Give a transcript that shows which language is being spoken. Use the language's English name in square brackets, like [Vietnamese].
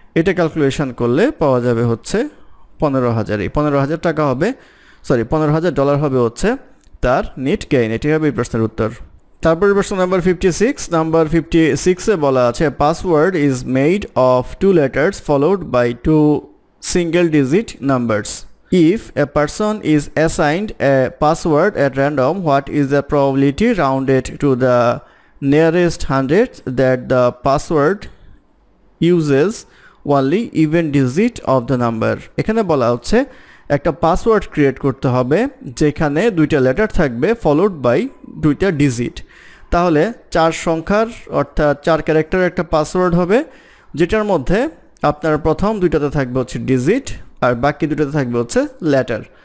[Bangla] এটা ক্যালকুলেশন করলে পাওয়া যাবে হচ্ছে $15,000 হবে হচ্ছে তার নেট গেইন। এটি হবে প্রশ্নের উত্তর। তারপরে প্রশ্ন নাম্বার 56। নাম্বার 56-এ বলা আছে, [English] Password is made of two letters followed by two single digit numbers. If a person is assigned a password at random, what is the probability rounded to the nearest hundredth that the password uses only even digit of the number? [Bangla] এখানে বলা হচ্ছে একটা password create করতে হবে যেখানে দুইটা letter থাকবে followed by দুইটা ডিজিট। তাহলে চার সংখ্যার অর্থাৎ চার ক্যারেক্টার একটা পাসওয়ার্ড হবে যেটার মধ্যে আপনার প্রথম দুইটাতে থাকবে হচ্ছে ডিজিট আর বাকি দুটোতে থাকবে হচ্ছে লেটার।